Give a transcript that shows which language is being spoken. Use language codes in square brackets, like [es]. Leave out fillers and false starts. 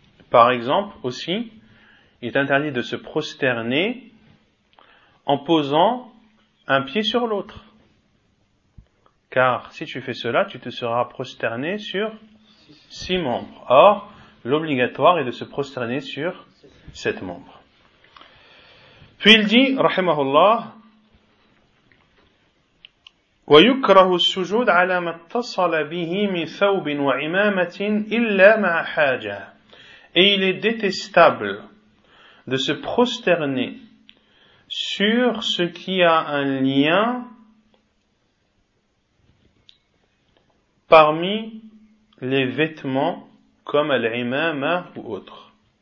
[fr] Par exemple, aussi, il est interdit de se prosterner en posant un pied sur l'autre. Car si tu fais cela, tu te seras prosterné sur 6 membres. Or, l'obligatoire est de se prosterner sur 7 membres. Puis il dit, [ar] rahimahullah, وَيُكْرَهُ السُّجُودَ عَلَى مَا اتَّصَلَ بِهِ مِنْ ثَوْبٍ وَعِمَامَةٍ إِلَّا مَعَ حَاجَةٍ. [fr] Et il est détestable de se prosterner sur ce qui a un lien parmi les vêtements comme al-imama ou autre.